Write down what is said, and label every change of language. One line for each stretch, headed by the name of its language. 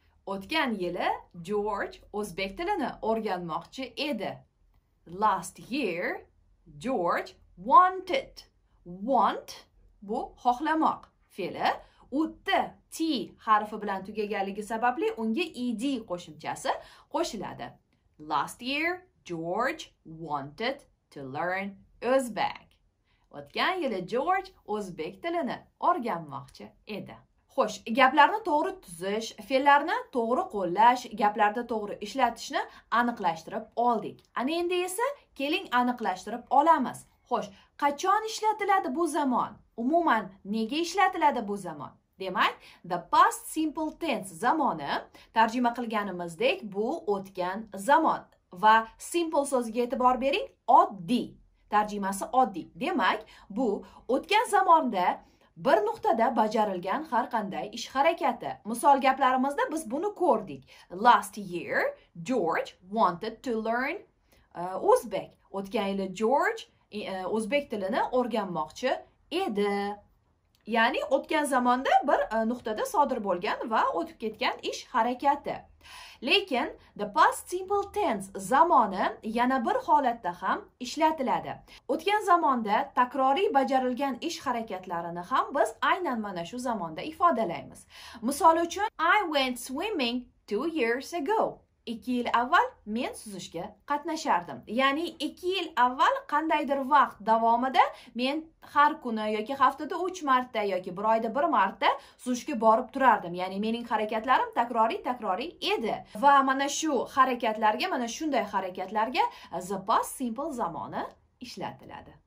Uzbek: O'tgan yili George o'zbek tilini o'rganmoqchi edi.
English: Last year George wanted.
Uzbek: Want bu xohlamoq fe'li. Utti t harfi bilan tugaganligi sababli unga ed qo'shimchasi qo'shiladi.
English: Last year George wanted to learn Uzbek.
Uzbek: O'tgan yili George o'zbek tilini o'rganmoqchi edi. Xo'sh, gaplarni to'g'ri tuzish, fe'llarni to'g'ri qo'llash, gaplarda to'g'ri ishlatishni aniqlashtirib oldik. Ana endi esa keling aniqlashtirib olamiz. Xo'sh, qachon ishlatiladi bu zamon? Umuman nega ishlatiladi bu zamon? Demak, the past simple tense zamoni tarjima qilganimizdek, bu o'tgan zamon va simple so'ziga e'tibor bering, oddiy. Tarjimasi oddiy. Demak, bu o'tgan zamonda bir nuqtada bajarilgan har qanday ish harakati. Misol gaplarimizda biz buni ko'rdik.
English: Last year George wanted to learn Uzbek.
Uzbek: O'tgan yili George o'zbek tilini o'rganmoqchi edi. Ya'ni o'tgan zamonda bir nuqtada sodir bo'lgan va o'tib ketgan ish harakati. Lekin the past simple tense zamoni yana bir holatda ham ishlatiladi. O'tgan zamonda takroriy bajarilgan ish harakatlarini ham biz aynan mana shu zamonda ifodalaymiz. Misol uchun,
English: I went swimming 2 years ago.
Uzbek: 2 yil avval men suzishga qatnashardim. Ya'ni 2 yil avval qandaydir vaqt davomida men har kuni yoki haftada 3 marta yoki 1 oyda 1 marta suzishga borib turardim. Ya'ni mening harakatlarim takroriy edi. Va mana shu harakatlarga, mana shunday harakatlarga the past simple zamoni ishlatiladi.